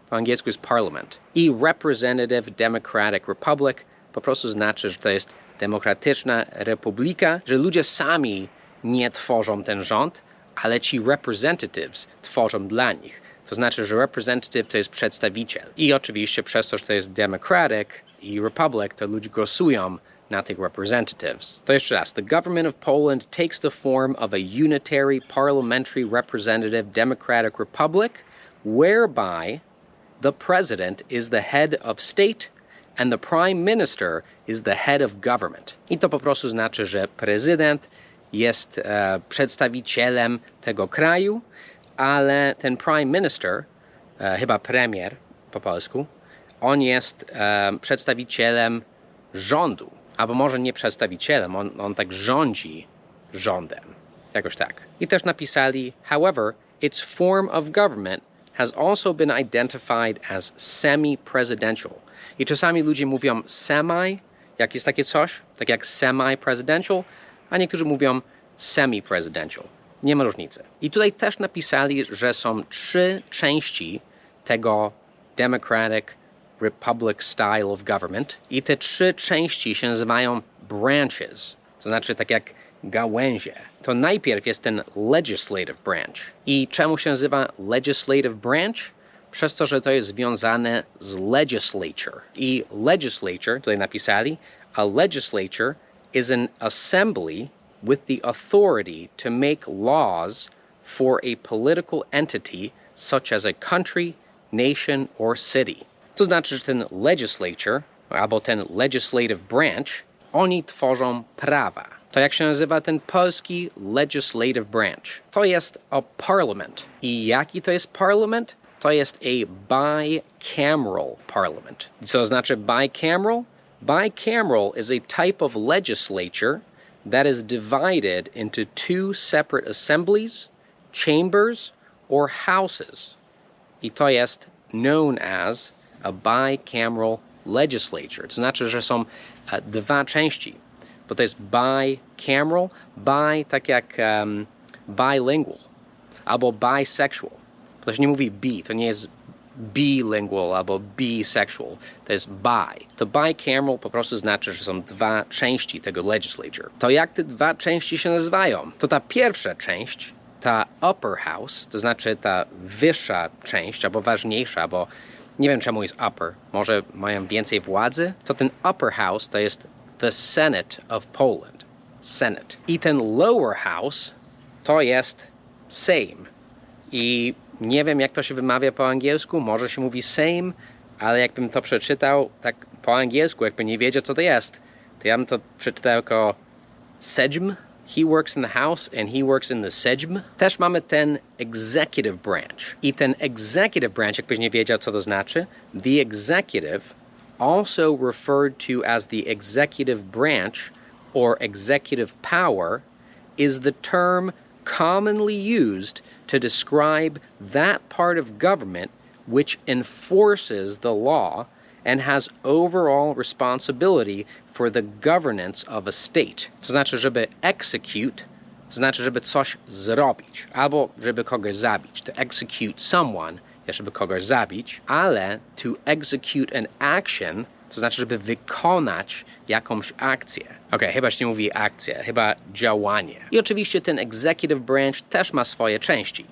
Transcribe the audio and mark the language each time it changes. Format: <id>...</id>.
<pl>Po angielsku jest parliament. I</pl> <en>representative democratic republic</en> <pl>po prostu znaczy, że to jest demokratyczna republika, że ludzie sami nie tworzą ten rząd, ale ci representatives tworzą dla nich. To znaczy, że representative to jest przedstawiciel. I oczywiście przez to, że to jest democratic i republic, to ludzie głosują na tych representatives. To jeszcze raz.</pl> <en>The government of Poland takes the form of a unitary parliamentary representative democratic republic, whereby the president is the head of state and the prime minister is the head of government.</en> <pl>I to po prostu znaczy, że prezydent jest przedstawicielem tego kraju, ale ten prime minister, chyba premier po polsku, on jest przedstawicielem rządu. Albo może nie przedstawicielem, on tak rządzi rządem. Jakoś tak. I też napisali,</pl> <en>however, its form of government has also been identified as semi-presidential.</en> <pl>I czasami ludzie mówią semi, jak jest takie coś, tak jak semi-presidential, a niektórzy mówią semi-presidential. Nie ma różnicy. I tutaj też napisali, że są trzy części tego</pl> <en>democratic republic style of government.</en> <pl>I te trzy części się nazywają branches, to znaczy tak jak gałęzie. to najpierw jest ten legislative branch. I czemu się nazywa legislative branch? Przez to, że to jest związane z legislature.</pl> <en>I legislature,</en> <pl>tutaj napisali,</pl> <en>a legislature is an assembly with the authority to make laws for a political entity such as a country, nation or city.</en> <pl>To znaczy, że ten legislature, albo ten legislative branch, oni tworzą prawa. To jak się nazywa ten polski legislative branch? To jest a parliament. I jaki to jest parliament? To jest a bicameral parliament. Co znaczy bicameral?</pl> <en>Bicameral is a type of legislature that is divided into two separate assemblies, chambers, or houses.</en> <pl>I to jest</pl> <en>known as a bicameral legislature.</en> <pl>To znaczy, że są dwa części. Bo to jest bicameral, bi tak jak bilingual, albo bisexual. To się nie mówi bi, to nie jest bilingual albo bisexual, to jest bi. To bicameral po prostu znaczy, że są dwa części tego legislature. To jak te dwa części się nazywają? To ta pierwsza część, ta upper house, to znaczy ta wyższa część, albo ważniejsza, bo nie wiem czemu jest upper, może mają więcej władzy? To ten upper house to jest the Senate of Poland. Senate. I ten lower house to jest Sejm. I nie wiem, jak to się wymawia po angielsku. Może się mówi Sejm, ale jakbym to przeczytał tak po angielsku, jakby nie wiedział, co to jest, to ja bym to przeczytał jako Sejm.</pl> <en>He works in the house and he works in the Sejm.</en> <pl>Też mamy ten executive branch.</pl> <en>I ten executive branch,</en> <pl>jakbyś nie wiedział, co to znaczy,</pl> <en>the executive, also referred to as the executive branch or executive power, is the term commonly used to describe that part of government which enforces the law and has overall responsibility for the governance of a state.</en> <pl>To znaczy, żeby execute, to znaczy, żeby coś zrobić, albo żeby kogoś zabić,</pl> <en>to execute someone,</en> <pl>żeby kogoś zabić, ale</pl> <en>to execute an action,</en> <pl>to znaczy, żeby wykonać jakąś akcję. Okej, chyba się nie mówi akcja, chyba działanie. I oczywiście ten executive branch też ma swoje części.</pl>